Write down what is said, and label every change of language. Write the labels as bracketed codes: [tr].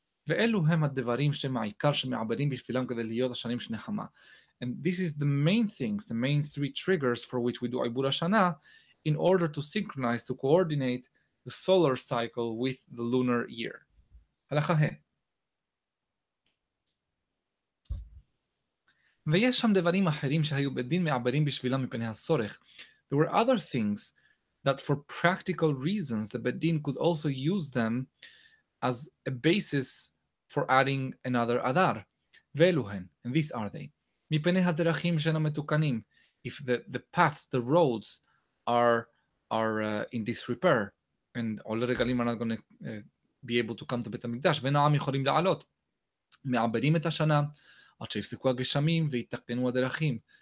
[he] ואלו הם הדברים שמעיקר שמעברים בשבילם כדי להיות השנים שנחמה. [en] And this is the main things, the main three triggers for which we do עיבור השנה, in order to synchronize, to coordinate the solar cycle with the lunar year. [he] הלכה ה. ויש שם דברים אחרים שהיו בדין מעברים בשבילם מפני הסורך. [en] There were other things that for practical reasons the בדין could also use them as a basis for adding another אדר. [he] ואלו הן, [en] and these are they. [he] מפני הדרכים שאינם מתוקנים, [en] if the paths, the roads are in disrepair, and עולי רגלים are not going to be able to come to בית המקדש, [he] ונעם יכולים לעלות. מעברים את השנה, עד שיפסקו הגשמים ויתקנו הדרכים.